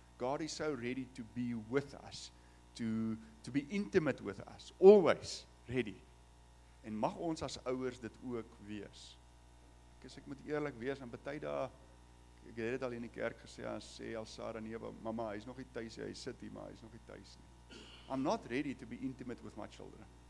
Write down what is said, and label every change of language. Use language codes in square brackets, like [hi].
[en] God is so ready to be with us, to be intimate with us, always ready. [af] En mag ons as ouers dit ook wees. Ek moet eerlik wees, aan baie dae, ek het dit al in die kerk gesê, en sê al Sarah nie, mama, hy is nog nie thuis, hy sit hier, maar hy is nog nie thuis nie. [en] I'm not ready to be intimate with my children.